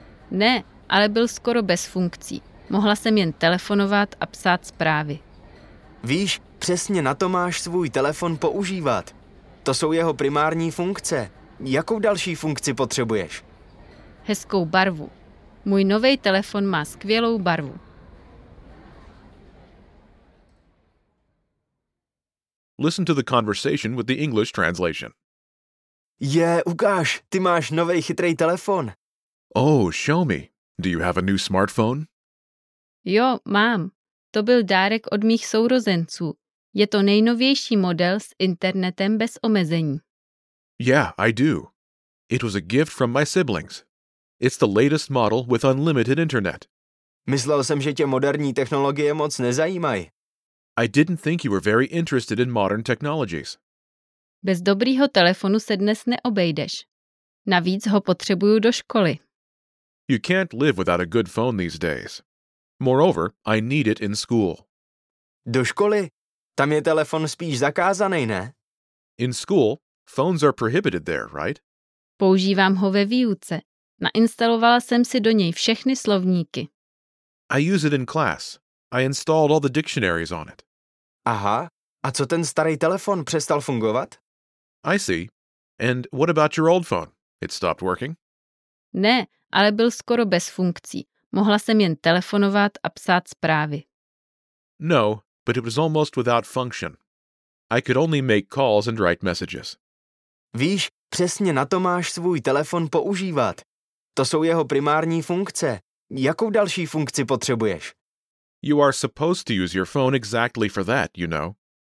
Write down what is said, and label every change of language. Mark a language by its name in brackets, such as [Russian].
[Czech] Ne, ale byl skoro bez funkcí. Mohla jsem jen telefonovat a psát zprávy. Víš, přesně na to máš svůj telefon používat. To jsou jeho primární funkce. Jakou další funkci potřebuješ? Hezkou barvu. Můj novej telefon má skvělou barvu. [English] Listen to the conversation with the English translation. [Czech] Je, ukáž, ty máš novej chytrej telefon. [English] Oh, show me. Do you have a new smartphone? [Czech] Jo, mám. To byl dárek od mých sourozenců. Je to nejnovější model s internetem bez omezení. [English] Yeah, I do. It was a gift from my siblings. It's the latest model with unlimited internet. [Czech] Myslel jsem, že tě moderní technologie moc nezajímají. [English] I didn't think you were very interested in modern technologies. [Czech] Bez dobrýho telefonu se dnes neobejdeš. Navíc ho potřebuju do školy. [English] You can't live without a good phone these days. Moreover, I need it in school. [Czech] Do školy? Tam je telefon spíš zakázaný, ne? [English] In school, phones are prohibited there, right? [Czech] Používám ho ve výuce. Nainstalovala jsem si do něj všechny slovníky. [English] I use it in class. I installed all the dictionaries on it. [Czech] Aha, a co ten starý telefon, přestal fungovat? [English] I see. And what about your old phone? It stopped working? [Czech] Ne, ale byl skoro bez funkcí. Mohla jsem jen telefonovat a psát zprávy. [English] No, but it was almost without function. I could only make calls and write messages. [Czech] Víš, přesně na to máš svůj telefon používat. To jsou jeho primární funkce. Jakou další funkci potřebuješ? [English] You are supposed to use your phone exactly for that, you know.